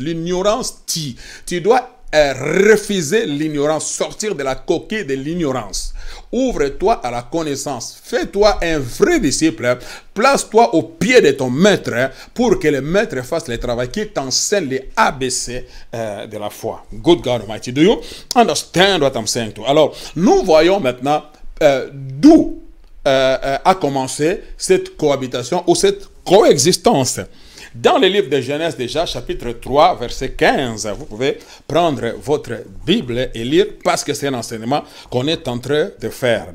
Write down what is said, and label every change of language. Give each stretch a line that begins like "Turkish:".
French: L'ignorance tue. Tu dois refuser l'ignorance, sortir de la coquille de l'ignorance. Ouvre-toi à la connaissance. Fais-toi un vrai disciple. Place-toi au pied de ton maître pour que le maître fasse le travail qui t'enseigne les ABC de la foi.
English: Good God Almighty, do you understand what I'm saying to?
French: Alors, nous voyons maintenant d'où a commencé cette cohabitation ou cette coexistence. Dans le livre de Genèse déjà, chapitre 3, verset 15, vous pouvez prendre votre Bible et lire parce que c'est un enseignement qu'on est en train de faire.